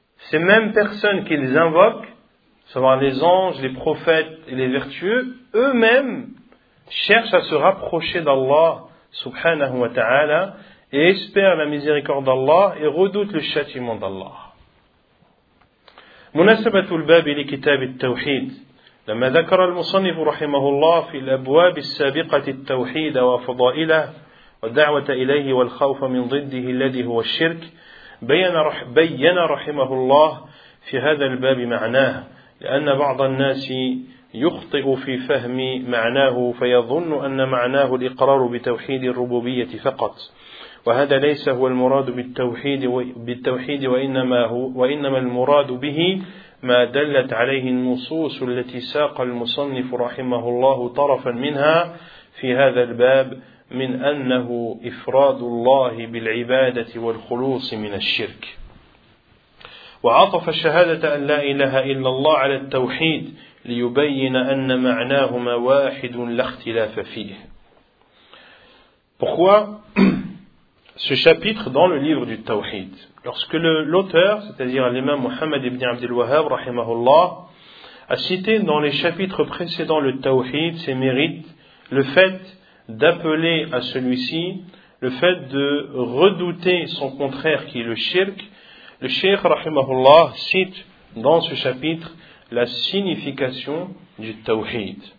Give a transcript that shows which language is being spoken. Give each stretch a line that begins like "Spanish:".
French: Ces mêmes personnes qu'ils invoquent, c'est-à-dire les anges, les prophètes et les vertueux, eux-mêmes cherchent à se rapprocher d'Allah
Arabic: subhanahu wa ta'ala
French: et espèrent la miséricorde d'Allah et redoutent le châtiment d'Allah.
Arabic: مناسبه الباب لكتاب التوحيد لما ذكر المصنف رحمه الله في الابواب السابقه التوحيد وفضائله والدعوه اليه والخوف من ضده الذي هو الشرك بين رحمه الله في هذا الباب معناه لان بعض الناس يخطئ في فهم معناه فيظن ان معناه الاقرار بتوحيد الربوبيه فقط وهذا ليس هو المراد بالتوحيد وإنما المراد به ما دلت عليه النصوص التي ساق المصنف رحمه الله طرفا منها في هذا الباب من أنه إفراد الله بالعبادة والخلوص من الشرك وعطف الشهادة أن لا إله إلا الله على التوحيد ليبين أن معناهما واحد لا اختلاف فيه.
French: Ce chapitre dans le livre du Tawhid. Lorsque l'auteur, c'est-à-dire l'imam Muhammad ibn Abdel Wahhab, rahimahullah, a cité dans les chapitres précédents le Tawhid, ses mérites, le fait d'appeler à celui-ci, le fait de redouter son contraire qui est le shirk, le Cheikh, rahimahullah, cite dans ce chapitre la signification du Tawhid.